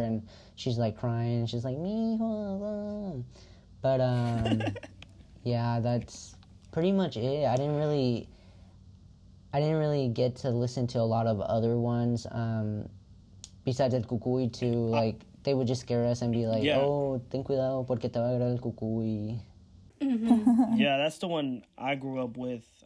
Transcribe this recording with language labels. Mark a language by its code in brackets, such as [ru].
[en] And she's, like, crying. She's like, mijo. But, yeah, that's pretty much it. I didn't really get to listen to a lot of other ones. Besides El Cucuy, too. Like, they would just scare us and be like, yeah. [es] Oh, ten cuidado porque te va a agarrar el Cucuy. Mm-hmm. [en] Yeah, that's the one I grew up with.